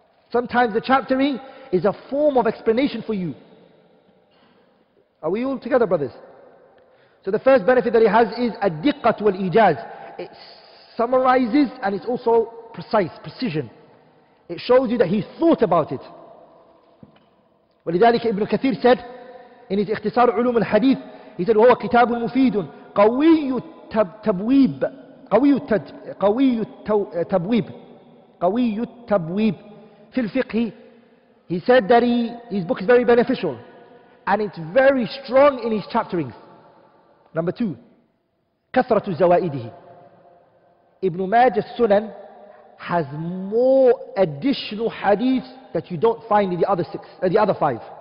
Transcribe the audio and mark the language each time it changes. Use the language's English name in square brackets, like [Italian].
[English] Sometimes the chaptering is a form of explanation for you. Are we all together, brothers? So the first benefit that he has is [Arabic] الدقة والإجاز. [English] It summarizes and it's also precise, precision. It shows you that he thought about it. [Arabic] ولذلك ابن كثير [English] said in his [Arabic] اختصار علوم الحديث, [English] he said [Arabic] وهو كتاب مفيد قوي التبويب قوي التبويب في الفقه. [English] He said that his book is very beneficial and it's very strong in his chapterings. Number two, [Arabic] كثرة زوائده. [English] Ibn Majah's Sunan has more additional hadith that you don't find in the other five.